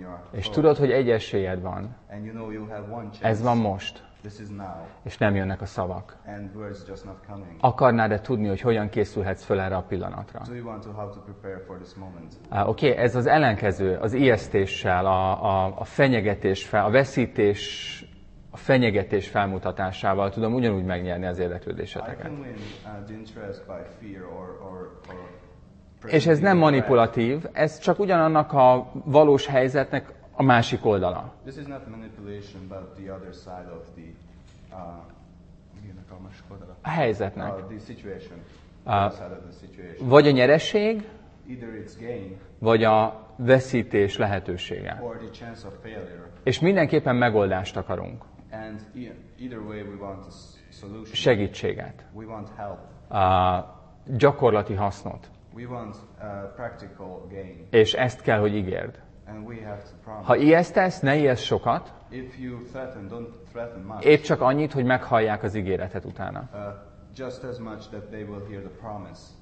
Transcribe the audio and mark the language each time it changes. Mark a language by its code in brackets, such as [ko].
[hu] és tudod, hogy egy esélyed van. [en] And you know you have one chance. [hu] Ez van most. [en] This is now. [hu] És nem jönnek a szavak. [en] And words just not coming. [hu] Akarnád-e tudni, hogy hogyan készülhetsz föl erre a pillanatra? [en] Do you want to have to prepare for this moment? [hu] Okay, ez az ellenkező, az ijesztéssel, a fenyegetés fel, a veszítés, a fenyegetés felmutatásával tudom ugyanúgy megnyerni az érdeklődéseteket. [en] I can win, the interest by fear or [hu] és ez nem manipulatív, ez csak ugyanannak a valós helyzetnek a másik oldala. [en] This is not manipulation, but the other side of the [hu] a helyzetnek. [en] The situation. [hu] Vagy a nyereség, [en] either its gain, [hu] vagy a veszítés lehetősége. [en] Or the chance of failure. [hu] És mindenképpen megoldást akarunk. [en] And either way we want a solution. [hu] Segítséget. [en] We want help. [hu] Gyakorlati hasznot. [en] We want a practical gain. [hu] És ezt kell, hogy ígérd. [en] And we have to promise. [hu] Ha ijesztesz, ne ijesz sokat. [en] If you threaten, don't threaten much. [hu] Épp csak annyit, hogy meghallják az ígéretet utána. [en] Just as much that they will hear the promise.